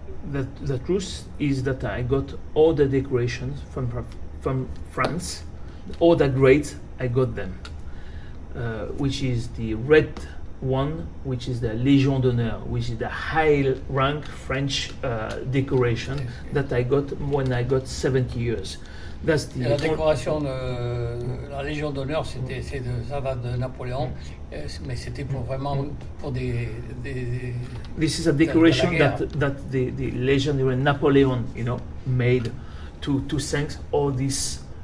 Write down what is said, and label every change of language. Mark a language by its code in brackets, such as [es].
[en] The truth is that I got all the decorations from France. All the grades, I got them, which is the red one, which is the Légion d'honneur, which is the high rank French decoration that I got when I got 70 years. That's the [fr] la décoration, la Légion d'honneur, ça va de Napoléon, mais c'était pour vraiment pour des. [en] This is a decoration that the legendary Napoléon, you know, made to thank all these.